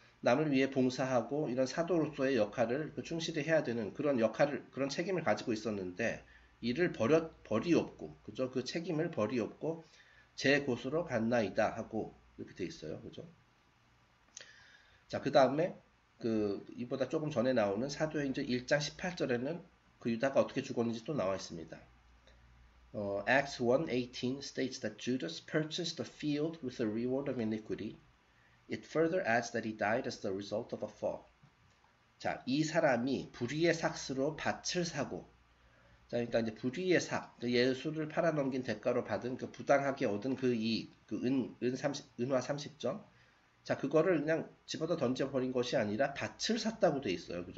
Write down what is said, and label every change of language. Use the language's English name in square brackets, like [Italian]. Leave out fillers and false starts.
[Korean] 남을 위해 봉사하고, 이런 사도로서의 역할을 그 충실히 해야 되는 그런 역할을, 그런 책임을 가지고 있었는데, 이를 버리옵고, 그죠? 그 책임을 버리옵고, 제 곳으로 갔나이다 하고, 이렇게 돼 있어요. 그죠? 자, 그 다음에, 이보다 조금 전에 나오는 사도행전 1장 18절에는 그 유다가 어떻게 죽었는지 또 나와 있습니다. [English] Acts 1:18 states that Judas purchased a field with the reward of iniquity. It further adds that he died as the result of a fall. [Korean] 자, 이 사람이 불의의 삭스로 밭을 사고, 자, 그러니까 이제 불의의 삭, 예수를 팔아넘긴 대가로 받은 그 부당하게 얻은 그 이익, 은화 30점. 자, 그거를 그냥 집어다 던져버린 것이 아니라 밭을 샀다고 돼 있어요.